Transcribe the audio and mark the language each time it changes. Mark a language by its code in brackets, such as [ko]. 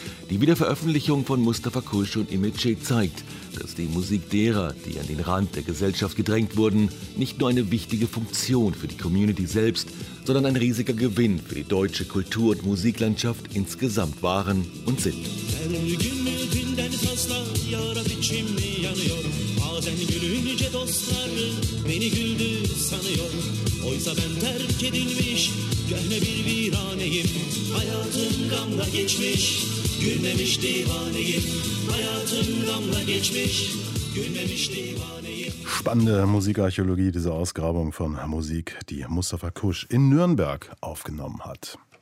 [de] Die Wiederveröffentlichung von Mustafa Kulsch und Imece zeigt, dass die Musik derer, die an den Rand der Gesellschaft gedrängt wurden, nicht nur eine wichtige Funktion für die Community selbst, sondern ein riesiger Gewinn für die deutsche Kultur- und Musiklandschaft insgesamt waren und sind. [tr] Bazen gülünce dostlarım beni güldü sanıyor. Oysa ben terk edilmiş, köhne bir viraneyim. Hayatım gamla geçmiş, gülmemiş divaneyim. Hayatım gamla geçmiş, gülmemiş divaneyim. [de] Spannende Musikarchäologie, diese Ausgrabung von Musik, die Mustafa Kusch in Nürnberg aufgenommen hat.